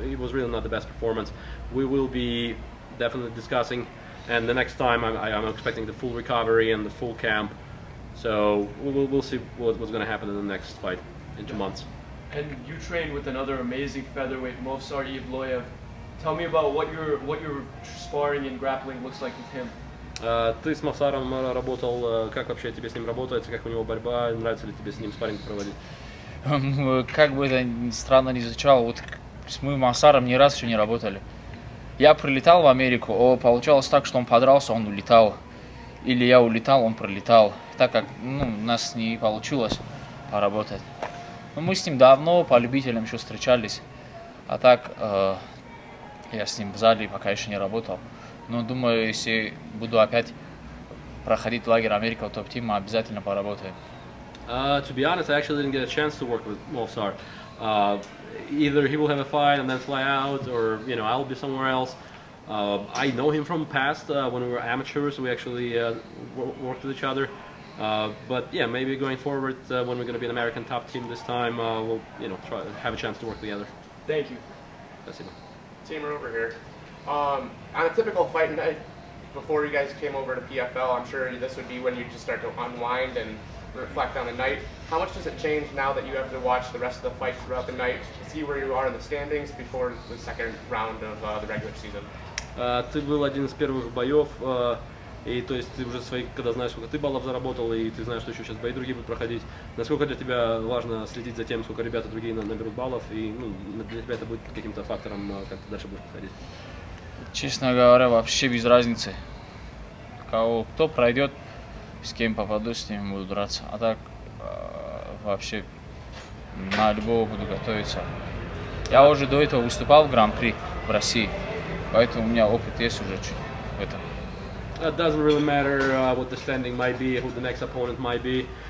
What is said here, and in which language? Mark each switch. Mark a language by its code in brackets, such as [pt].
[en] It was really not the best performance. We will be definitely discussing, and the next time I'm expecting the full recovery and the full camp. So we'll see what's going to happen in the next fight in 2 months. And you train with another amazing featherweight, Movsar Evloev. Tell me about what your sparring and grappling looks like with him. [ru] Ты с Мавсаром работал? Как вообще тебе с ним работается? Как у него борьба? Нравится ли тебе с ним спарринг проводить? Как бы это странно ни звучало, вот мы с Мавсаром ни раз еще не работали. Я прилетал в Америку, получалось так, что он подрался, он улетал. Или я улетал, он пролетал. Так как у нас не получилось поработать. Но мы с ним давно по любителям еще встречались. А так я с ним в зале пока еще не работал. Но думаю, если буду опять проходить лагерь Америка в топ-тим, мы обязательно поработаем. [en] To be honest, I actually didn't get a chance to work with Movsar. Either he will have a fight and then fly out, or you know, I'll be somewhere else. I know him from past when we were amateurs. We actually worked with each other. But yeah, maybe going forward when we're going to be an American top team this time, we'll you know try have a chance to work together. Thank you. That's it. Teamer over here. On a typical fight night, before you guys came over to PFL, I'm sure this would be when you just start to unwind and reflect on the night. How much does it change now that you have to watch the rest of the fights throughout the night to see where you are in the standings before the second round of the regular season? [ru] Ты был один из первых боев, и то есть ты уже свои, когда знаешь, сколько ты баллов заработал, и ты знаешь, что еще сейчас бои другие будут проходить. Насколько для тебя важно следить за тем, сколько ребята другие наберут баллов, и ну, для тебя это будет каким-то фактором, как ты дальше будешь проходить? Честно говоря, вообще без разницы. Кого кто пройдет, с кем попаду, с ними буду драться. А так вообще на любого буду готовиться. Я уже до этого выступал в Гран-при в России, поэтому у меня опыт есть уже чуть в этом. [en] It doesn't really matter what the standing might be, who the next opponent might be.